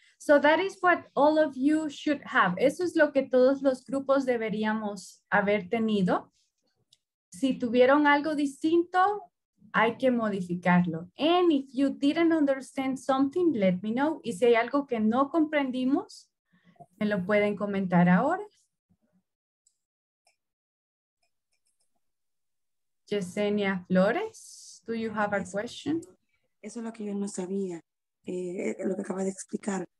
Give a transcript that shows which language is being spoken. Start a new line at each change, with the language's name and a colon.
English: So that is what all of you should have.
Spanish: Eso es lo que todos los grupos deberíamos haber tenido. Si tuvieron algo distinto, hay que modificarlo.
English: And if you didn't understand something, let me know.
Spanish: Y si hay algo que no comprendimos, me lo pueden comentar ahora.
English: Yesenia Flores, do you have a question?
Spanish: Eso es lo que yo no sabía, lo que acabas de explicar.